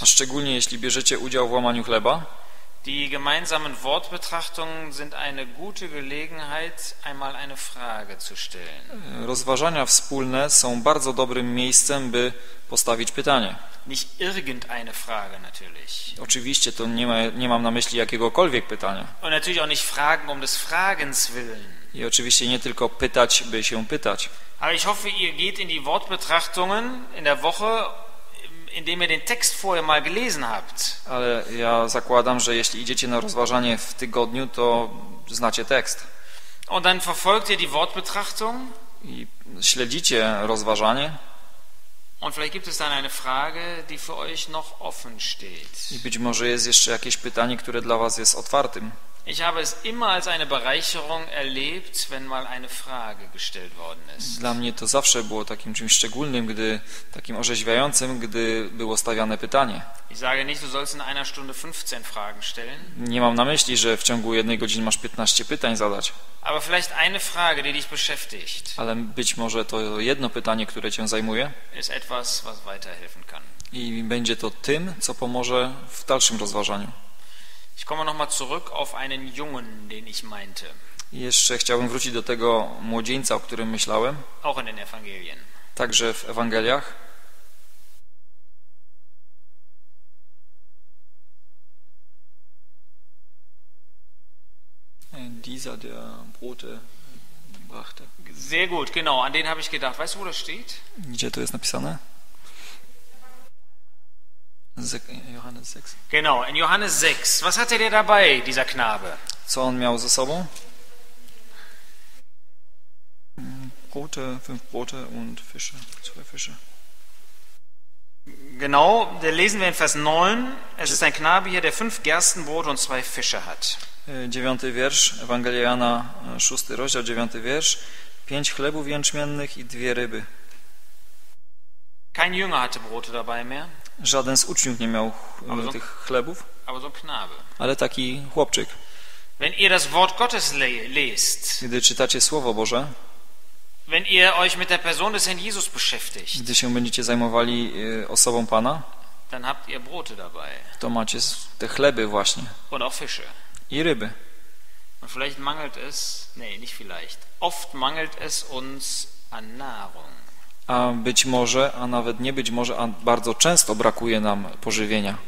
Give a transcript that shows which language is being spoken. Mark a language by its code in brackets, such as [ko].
[pl] a szczególnie jeśli bierzecie udział w łamaniu chleba, [de] die gemeinsamen Wortbetrachtungen sind eine gute Gelegenheit, einmal eine Frage zu stellen. [pl] Rozważania wspólne są bardzo dobrym miejscem, by postawić pytanie. [de] Nicht irgendeine Frage natürlich. [pl] Oczywiście to nie, ma, nie mam na myśli jakiegokolwiek pytania. [de] Und natürlich auch nicht fragen um des Fragens willen. [pl] I oczywiście nie tylko pytać, by się pytać. [de] Aber ich hoffe, ihr geht in die Wortbetrachtungen in der Woche, indem ihr den Text vorher mal gelesen habt. [pl] Ale ja zakładam, że jeśli idziecie na rozważanie w tygodniu, to znacie tekst. [de] Und dann verfolgt ihr die Wortbetrachtung. [pl] I śledzicie rozważanie. [de] Und vielleicht gibt es dann eine Frage, die für euch noch offen steht. [pl] I być może jest jeszcze jakieś pytanie, które dla was jest otwartym. [de] Ich habe es immer als eine Bereicherung erlebt, wenn mal eine Frage gestellt worden ist. [pl] Dla mnie to zawsze było takim czymś szczególnym, gdy takim orzeźwiającym, gdy było stawiane pytanie. [de] Ich sage nicht, du sollst in einer Stunde 15 Fragen stellen. [pl] Nie mam na myśli, że w ciągu jednej godziny masz 15 pytań zadać. [de] Aber vielleicht eine Frage, die dich beschäftigt. [pl] Ale być może to jedno pytanie, które cię zajmuje. [de] Ist etwas, was weiterhelfen kann. [pl] I będzie to tym, co pomoże w dalszym rozważaniu. [de] Ich komme noch mal zurück auf einen Jungen, den ich meinte. [pl] Jeszcze chciałbym wrócić do tego młodzieńca, o którym myślałem. [de] Auch in den Evangelien. [pl] Także w Ewangeliach. [de] Dieser, der Brote brachte. Sehr gut, genau. An den habe ich gedacht. Weißt du, wo das steht? [pl] Gdzie to jest napisane? [de] Johannes 6. Genau, in Johannes 6. Was hatte der dabei, dieser Knabe? [pl] Co on miał ze sobą? [de] Brote, fünf Brote und Fische, zwei Fische. Genau, da lesen wir in Vers 9. Es ist ein Knabe hier, der fünf Gerstenbrote und zwei Fische hat. [pl] 9. wiersz, Ewangelia Jana, 6. rozdział, 9. wiersz. Pięć chlebów jęczmiennych i dwie ryby. [de] Kein Jünger hatte Brote dabei mehr. [pl] Żaden z uczniów nie miał tych chlebów, ale taki chłopczyk. [de] Wenn ihr das Wort Gottes lest, [pl] gdy czytacie Słowo Boże, [de] wenn ihr euch mit der Person des Herrn Jesus beschäftigt, [pl] gdy się będziecie zajmowali osobą Pana, [de] dann habt ihr Brote dabei. [pl] To macie te chleby właśnie. [de] Und auch Fische. [pl] I ryby. [de] Und vielleicht mangelt es, nee, nicht vielleicht, oft mangelt es uns an Nahrung. [pl] A być może, a nawet nie być może, a bardzo często brakuje nam pożywienia.